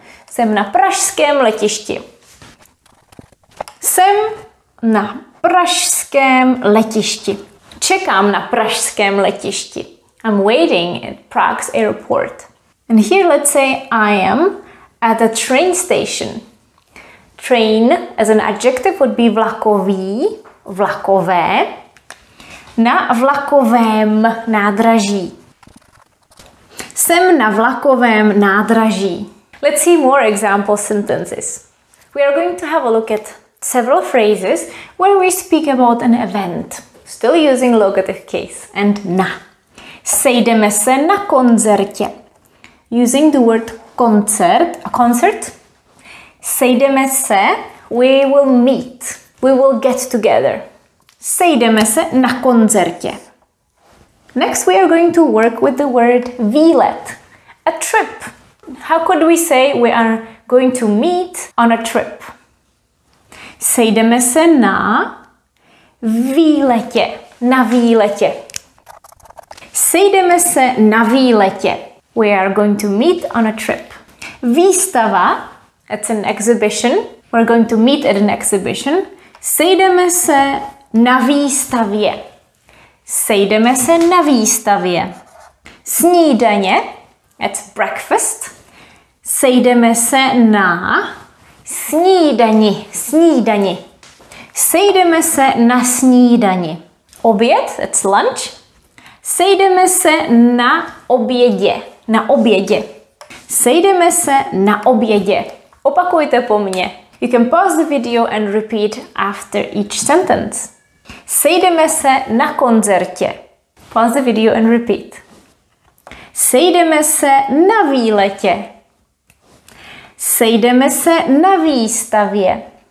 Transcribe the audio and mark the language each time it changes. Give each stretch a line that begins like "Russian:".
Czech: Jsem na pražském letišti. Jsem na pražském letišti. Čekám na pražském letišti.
English: I'm waiting at Prague's airport. And here let's say I am at a train station. Train as an adjective would be vlakový, vlakové.
Czech: Na vlakovém nádraží. Jsem na vlakovém nádraží.
English: Let's see more example sentences. We are going to have a look at several phrases where we speak about an event. Still using locative case and na.
Czech: Sejdeme se na koncertě.
English: Using the word koncert, a concert.
Czech: Sejdeme se,
English: we will meet, we will get together.
Czech: Sejdeme se na koncertě.
English: Next we are going to work with the word výlet, a trip. How could we say we are going to meet on a trip?
Czech: Sejdeme se na výletě, na výletě. Sejdeme se na výletě.
English: We are going to meet on a trip. Výstava, it's an exhibition. We're going to meet at an exhibition.
Czech: Sejdeme se na výstavě. Sejdeme se na výstavě. Snídaně,
English: it's breakfast.
Czech: Sejdeme se na snídani, snídani. Sejdeme se na snídani. Oběd,
English: it's lunch.
Czech: Sejdeme se na obědě, na obědě. Sejdeme se na obědě. Opakujte po mně.
English: You can pause the video and repeat after each sentence.
Czech: Sejdeme se na koncertě.
English: Pause the video and repeat.
Czech: Sejdeme se na výletě. Sejdeme se na výstavě.